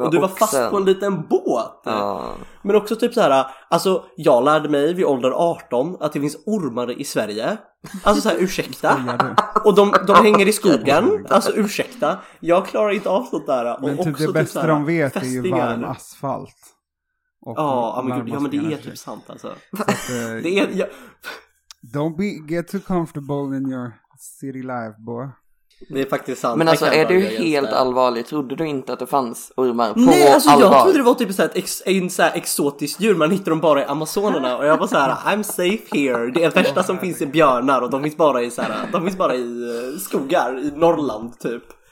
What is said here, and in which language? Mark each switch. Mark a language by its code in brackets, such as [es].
[sv] Och du var fast på en liten båt. Men också typ så här, alltså jag lärde mig vid ålder 18 att det finns ormar i Sverige. Alltså så här, ursäkta. Och de hänger i skogen. Alltså ursäkta, jag klarar inte av sånt där. Men och typ också det bästa typ här, de vet är ju varm asfalt. Ja, men det är typ sant alltså. Det är, [en] don't be get too comfortable in your city life, boy. [sv] Det är faktiskt sant. Men alltså, är du helt allvarlig? Trodde du inte att det fanns ormar på allvar? Nej, alltså allvar? Jag trodde det var typ så här ett exotiskt djur. Man hittar dem bara i Amazonerna. Och jag var så här, [en] I'm safe here. [sv] Det är värsta som finns i björnar. Och de finns bara i så här, de finns bara i skogar i Norrland, typ.